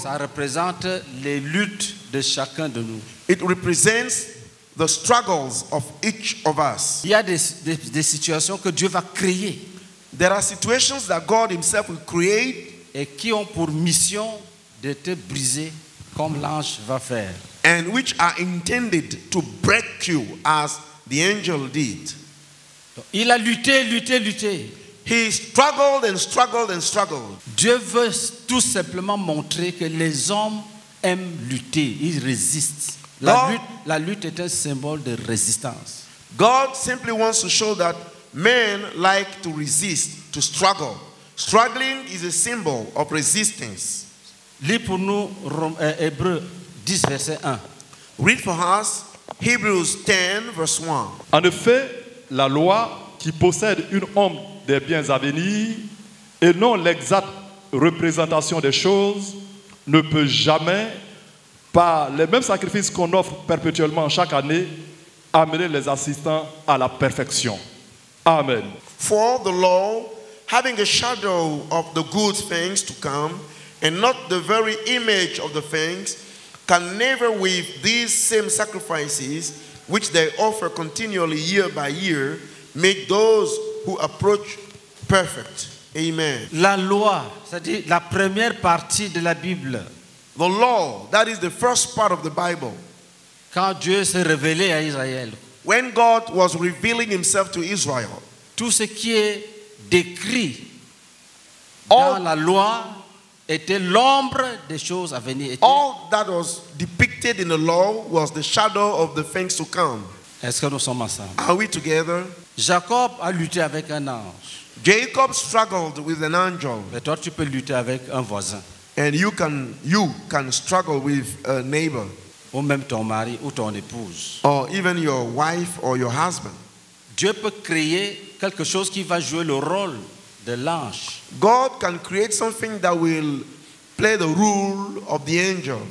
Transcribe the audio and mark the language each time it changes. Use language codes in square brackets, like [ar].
[fr] Ça représente les luttes de chacun de nous. [en] It represents the struggles of each of us. [fr] Il y a des situations que Dieu va créer. [en] There are situations that God himself will create [fr] et qui ont pour mission de te briser comme l'ange va faire. [en] And which are intended to break you as the angel did. [fr] Il a lutté, lutté, lutté. [en] He struggled and struggled and struggled. [fr] Dieu veut tout simplement montrer que les hommes aiment lutter, ils résistent. La lutte est un symbole de résistance. [en] God simply wants to show that men like to resist, to struggle. Struggling is a symbol of resistance. [fr] Lis pour nous Hébreux 10 verset 1. [en] Read for us Hebrews 10 verse 1. [fr] En effet, la loi qui possède une ombre des biens à venir et non l'exacte représentation des choses ne peut jamais, par les mêmes sacrifices qu'on offre perpétuellement chaque année, amener les assistants à la perfection. Amen. [en] For the law, having a shadow of the good things to come and not the very image of the things, can never with these same sacrifices which they offer continually year by year make those who approach perfect. Amen. [fr] La loi, c'est-à-dire la première partie de la Bible. [en] The law, that is the first part of the Bible. [fr] Quand Dieu s'est révélé à Israël. [en] When God was revealing himself to Israel. [fr] Tout ce qui est décrit dans la loi était l'ombre des choses à venir. [en] All that was depicted in the law was the shadow of the things to come. [fr] Est-ce que nous sommes ensemble? [en] Are we together? [fr] Jacob a lutté avec un ange. [en] Jacob struggled with an angel. [fr] Mais toi, tu peux lutter avec un voisin. [en] And you can struggle with a neighbor. [fr] Ou même ton mari ou ton épouse. [en] Or even your wife or your husband. [fr] Dieu peut créer quelque chose qui va jouer le rôle de l'ange. [en] God can create something that will play the role of the angel.